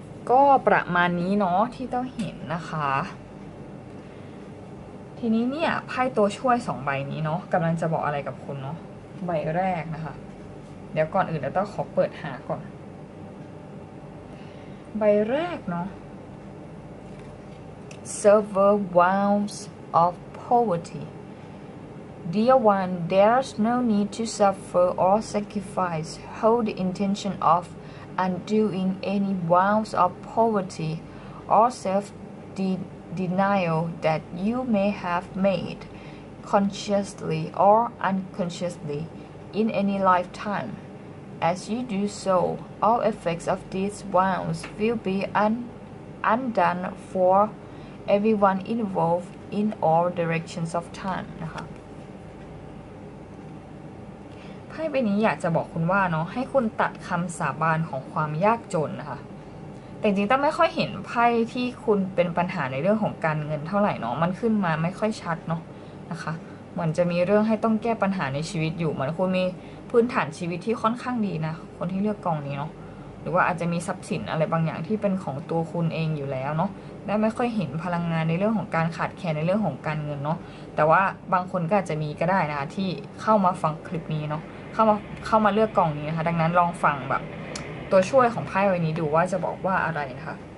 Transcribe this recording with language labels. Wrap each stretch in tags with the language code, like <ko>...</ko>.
<th>ก็ประมาณนี้เนาะที่ต้องเห็นนะคะทีนี้เนี่ยไพ่ตัวช่วย2ใบนี้เนาะกำลังจะบอกอะไรกับคุณเนาะใบแรกนะคะเดี๋ยวก่อนอื่นเราต้องขอเปิดหาก่อนใบแรกเนาะ</th> <en>Silver Wounds of Poverty Dear one, there's no need to suffer or sacrifice. Hold the intention of undoing any wounds of poverty or self-denial that you may have made consciously or unconsciously in any lifetime. As you do so, all effects of these wounds will be undone for everyone involved in all directions of time.</en> <th>นะคะไพ่ใบนี้อยากจะบอกคุณว่าเนาะให้คุณตัดคำสาบานของความยากจนนะคะแต่จริงๆต้องไม่ค่อยเห็นไพ่ที่คุณเป็นปัญหาในเรื่องของการเงินเท่าไหร่เนาะมันขึ้นมาไม่ค่อยชัดเนาะ นะคะเหมือนจะมีเรื่องให้ต้องแก้ปัญหาในชีวิตอยู่เหมือนคุณมีพื้นฐานชีวิตที่ค่อนข้างดีนะคนที่เลือกกองนี้เนาะหรือว่าอาจจะมีทรัพย์สินอะไรบางอย่างที่เป็นของตัวคุณเองอยู่แล้วเนาะและไม่ค่อยเห็นพลังงานในเรื่องของการขาดแคลนในเรื่องของการเงินเนาะแต่ว่าบางคนก็อาจจะมีก็ได้นะที่เข้ามาฟังคลิปนี้เนาะเข้ามาเลือกกล่องนี้นะคะดังนั้นลองฟังแบบตัวช่วยของไพ่ใบนี้ดูว่าจะบอกว่าอะไรนะคะ</th>